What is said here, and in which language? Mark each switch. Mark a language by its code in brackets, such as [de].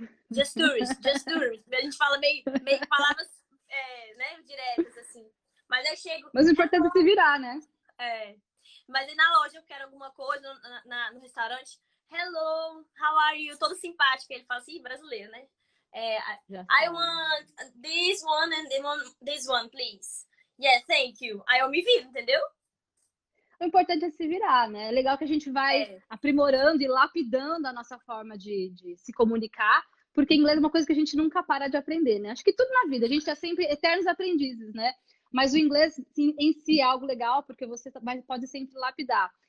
[en] Just tourist. [pt] A gente fala meio palavras, né, diretas, assim. Mas eu chego. Mas o importante é se virar, né? É. Mas aí na loja eu quero alguma coisa, no restaurante. [en] Hello, how are you? [pt] Todo simpático. Ele fala assim, brasileiro, né? [en] É, I want this one and this one, please. Yeah, thank you. [pt] Aí eu me viro, entendeu? O importante é se virar, né? É legal que a gente vai aprimorando e lapidando a nossa forma de se comunicar, porque inglês é uma coisa que a gente nunca para de aprender, né? Acho que tudo na vida, a gente está sempre eternos aprendizes, né? Mas o inglês em si é algo legal, porque você pode sempre lapidar.